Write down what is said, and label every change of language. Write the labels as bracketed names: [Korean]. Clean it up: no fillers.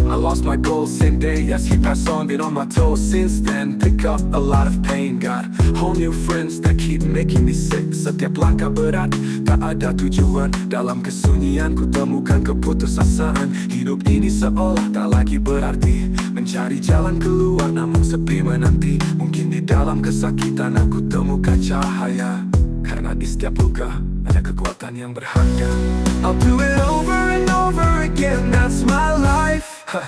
[English] I lost my goal same day as he passed on, been on my toes since then. Pick up a lot of pain, got whole new friends that keep making me sick. [Indonesian] Setiap langkah berat, tak ada tujuan. Dalam kesunyian ku temukan keputusasaan. Hidup ini seolah tak lagi berarti, mencari jalan keluar namun sepi menanti. Mungkin di dalam kesakitan aku temukan cahaya, karena di setiap luka ada kekuatan yang berharga. [English] I'll do it over and over again, that's my life.